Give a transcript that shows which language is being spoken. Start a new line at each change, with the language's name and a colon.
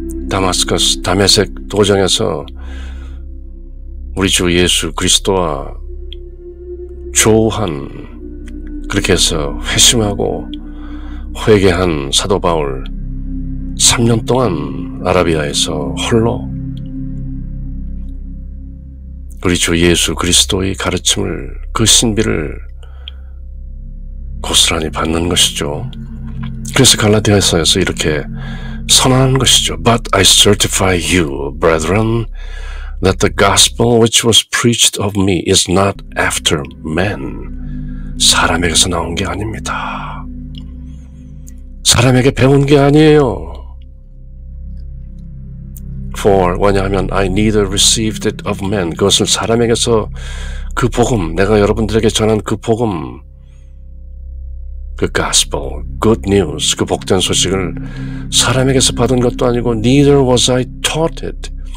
Korean: 다마스커스 다메섹 도장에서 우리 주 예수 그리스도와 조한, 그렇게 해서 회심하고 회개한 사도 바울, 3년 동안 아라비아에서 홀로 우리 주 예수 그리스도의 가르침을, 그 신비를 고스란히 받는 것이죠. 그래서 갈라디아서에서 이렇게 선언한 것이죠.
English: But I certify you, brethren, that the gospel which was preached of me is not after men.
Korean: 사람에게서 나온 게 아닙니다. 사람에게 배운 게 아니에요. For, 왜냐하면
English: I neither received it of men.
Korean: 그것을 사람에게서 그 복음, 내가 여러분들에게 전한 그 복음, 그 gospel,
English: good news,
Korean: 그 복된 소식을 사람에게서 받은 것도 아니고
English: neither was I taught it.